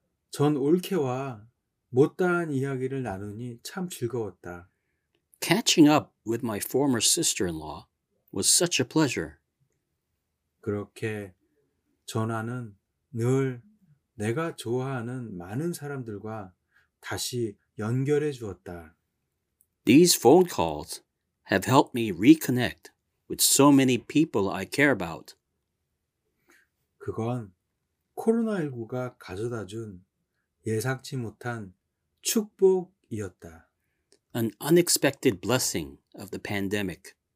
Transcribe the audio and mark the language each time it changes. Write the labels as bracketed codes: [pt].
[ko] 전 올케와 못다한 이야기를 나누니 참 즐거웠다. [en] Catching up with my former sister-in-law was such a pleasure. [ko] 그렇게 전화는 늘 내가 좋아하는 많은 사람들과 다시 연결해 주었다. [en] These phone calls have helped me reconnect with so many people I care about. [ko] 그건 코로나19가 가져다 준 예상치 못한 축복이었다. [en] An unexpected blessing of the pandemic.